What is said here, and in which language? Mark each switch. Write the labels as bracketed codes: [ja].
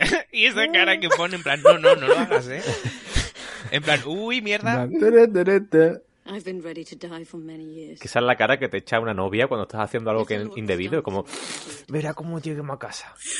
[es] Y esa cara que pone, en plan, no lo hagas, ¿eh? En plan, uy, mierda. [en] I've been ready to die for many years. [es] Que esa es la cara que te echa una novia cuando estás haciendo algo que es indebido. Es como, verá cómo lleguemos a casa.